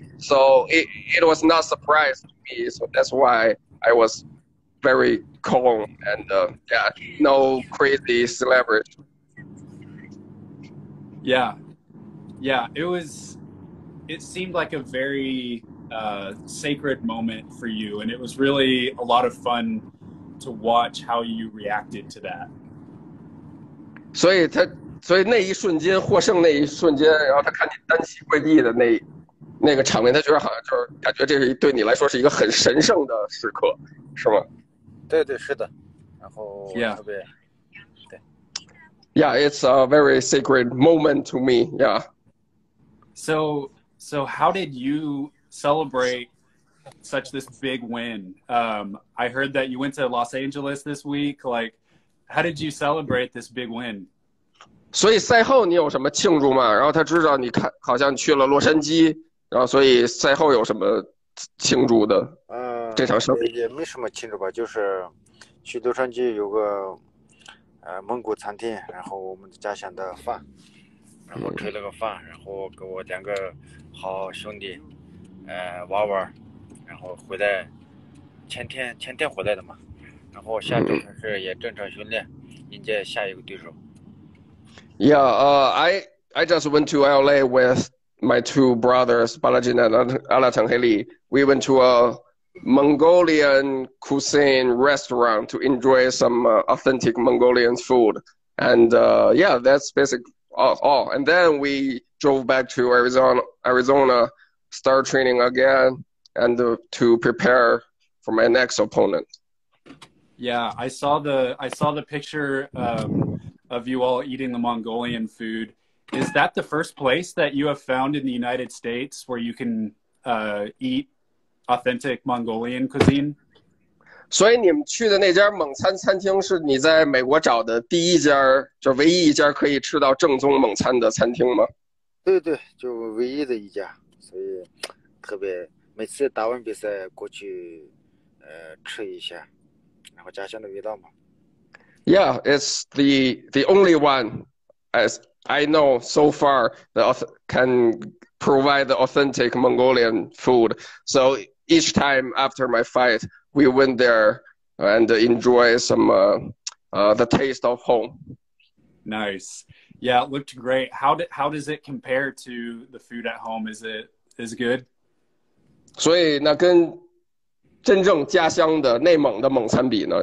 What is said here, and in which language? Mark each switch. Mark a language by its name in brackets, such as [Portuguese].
[English] So it was not a surprise to me. So that's why I was very calm and yeah, no crazy celebration. Yeah, yeah, it was, it seemed like a very sacred moment for you, and it was really a lot of fun to watch how you reacted to that. [Chinese] 所以他, 所以那一瞬间获胜那一瞬间，然后他看你单膝跪地的那个场面，他觉得好像就是感觉这是对你来说是一个很神圣的时刻，是吗？对对是的，然后特别。 [English] Yeah. Yeah, it's a very sacred moment to me, yeah. So how did you celebrate such this big win? I heard that you went to Los Angeles this week. Like, how did you celebrate this big win? [Chinese] 所以赛后你有什么庆祝吗？然后他知道你看好像去了洛杉矶，然后所以赛后有什么庆祝的？这场胜利也没什么庆祝吧，就是去洛杉矶有个蒙古餐厅，然后我们家乡的饭，然后吃了个饭，然后给我两个好兄弟玩玩，然后回来前天回来的嘛，然后下周开始也正常训练迎接下一个对手。 [English] I just went to LA with my two brothers Balajin and Alatan Haley. We went to aMongolian cuisine restaurant to enjoy some authentic Mongolian food. And yeah, that's basically all. And then we drove back to Arizona, start training again, and to prepare for my next opponent. Yeah, I saw the picture of you all eating the Mongolian food. Is that the first place that you have found in the United States where you can eat authentic Mongolian cuisine? [Chinese] 所以你们去的那家蒙餐餐厅是你在美国找的第一家，就唯一一家可以吃到正宗蒙餐的餐厅吗？对对，就唯一的一家，所以特别每次打完比赛过去吃一下，然后家乡的味道嘛。 [English] Yeah, it's the only one as I know so far that can provide the authentic Mongolian food. So each time after my fight, we went there and enjoy some the taste of home. Nice. Yeah, it looked great. How does it compare to the food at home? Is it good? [Chinese] 所以那跟真正家乡的内蒙的蒙餐比呢？